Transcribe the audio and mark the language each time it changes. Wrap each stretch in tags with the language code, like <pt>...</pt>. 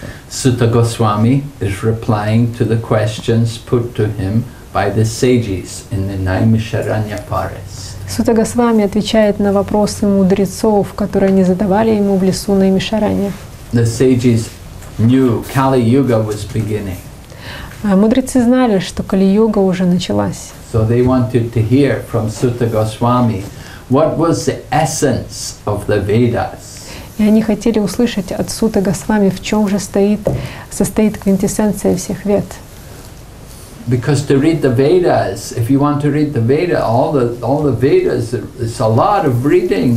<en>Sutta Goswami is replying to the questions put to him by the sages in the Naimisharanya forest.</en> <ru>Sutta Goswami отвечает на вопросы мудрецов, которые они задавали ему в лесу Наимишаранья.</ru> <en>The sages knew Kali Yuga was beginning.</en> <ru>Мудрецы знали, что Кали-юга уже началась.</ru> <en>So they wanted to hear from Sutta Goswami what was the essence of the Vedas.</en> <ru>И они хотели услышать от Сутты Госвами, в чем же состоит квинтэссенция всех Вед.</ru> <en>Because to read the Vedas, if you want to read the Vedas, all the Vedas, it's a lot of reading.</en>